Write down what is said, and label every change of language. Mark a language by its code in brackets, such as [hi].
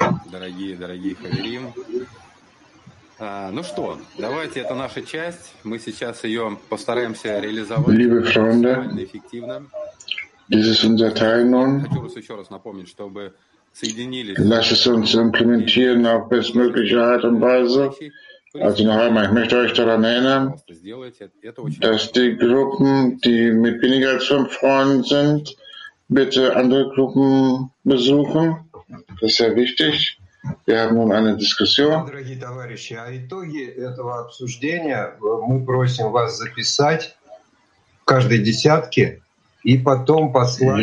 [ru] дорогие, дорогие Хаверим. А, ну что, давайте, это наша часть. Мы сейчас ее постараемся реализовать. [de] Liebe Freunde, [ru] эффективно. [de] Dies ist unser Teil nun. [ru] Хочу вас еще раз напомнить, чтобы соединились. [de] Lass es uns implementieren auf bestmögliche Art und Weise. Also noch einmal, ich möchte euch daran erinnern, dass die Gruppen, die mit weniger als 5 Freunden sind, bitte andere Gruppen besuchen. Das ist sehr wichtig. Wir haben nun eine Diskussion. [ru] Дорогие товарищи, а итоги этого обсуждения мы просим вас записать каждой десятке и потом послать.